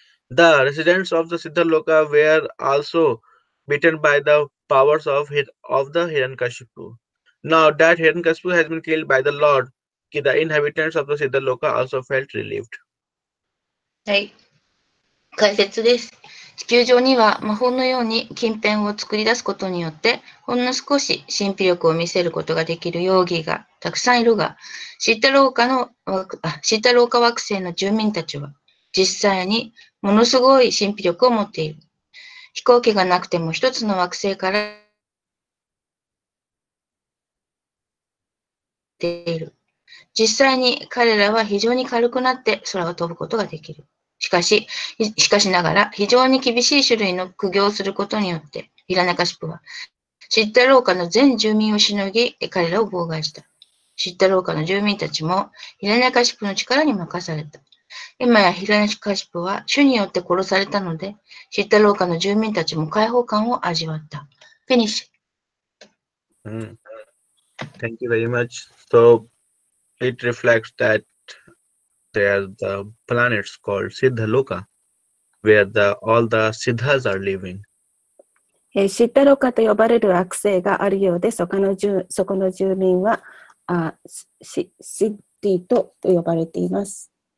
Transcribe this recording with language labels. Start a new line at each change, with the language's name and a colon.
English: The residents of the Siddhaloka were also beaten by the powers of the Hiranyakashipu. Now that Hiranyakashipu has been killed by the Lord, the inhabitants of the Siddhaloka also felt relieved.
Japanese: Hey, 解説です。地球上には魔法のように金片を作り出すことによってほんの少し神秘力を見せることができるヨーギーがたくさんいるが、シッタローカ惑星の住民たちは実際にものすごい神秘力を持っている。飛行機がなくても一つの惑星から出ている。実際に彼らは非常に軽くなって空を飛ぶことができる。しかしながら非常に厳しい種類の苦行をすることによってヒラナカシプはシッタローカの全住民をしのぎ彼らを妨害した。シッタローカの住民たちもヒラナカシプの力に任された。今やヒラナカシプは主によって殺されたのでシッタローカの住民たちも解放感を味わった。フィニッシュ。
English: Thank you very much. So it reflects thatThere are the planets called Siddhaloka, where all the Siddhas are living.
Japanese: Siddhaloka と呼ばれる惑星があるようで、そこの住民は、Siddhi と呼ばれています。